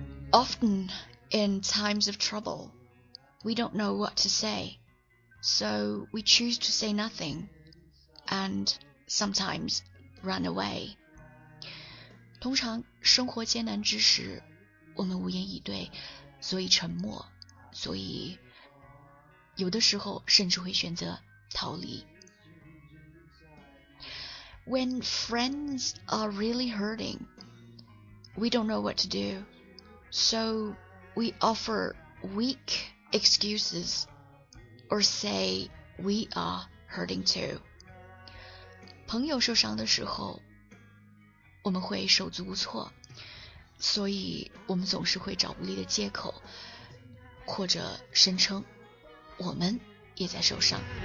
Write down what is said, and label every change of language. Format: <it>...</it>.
<en>Often in times of trouble, we don't know what to say, so we choose to say nothing and sometimes run away.</en> <zh>通常生活艰难之时，我们无言以对，所以沉默，所以有的时候甚至会选择逃离。</zh> <en>When friends are really hurting, we don't know what to do, so we offer weak excuses or say we are hurting too.</en> <zh>朋友受伤的时候，我们会手足无措，所以我们总是会找无力的借口，或者声称我们也在受伤。</zh>